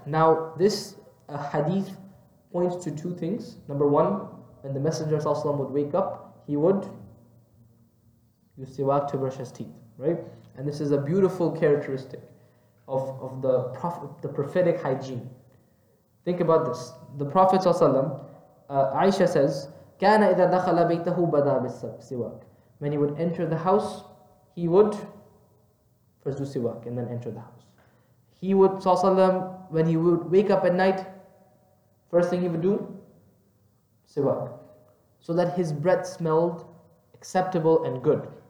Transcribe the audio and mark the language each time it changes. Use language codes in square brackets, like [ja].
[en] Now this hadith points to two things. Number one, when the Messenger صلى الله عليه وسلم would wake up, he would use siwak to brush his teeth, right? And this is a beautiful characteristic of the the prophetic hygiene. Think about this. The Prophet Aisha says, [ar] كان إذا دخل بيته بدا بالسواك. [en] When he would enter the house, he would first do siwak and then enter the house. He would, when he would wake up at night, first thing he would do, siwak. So that his breath smelled acceptable and good.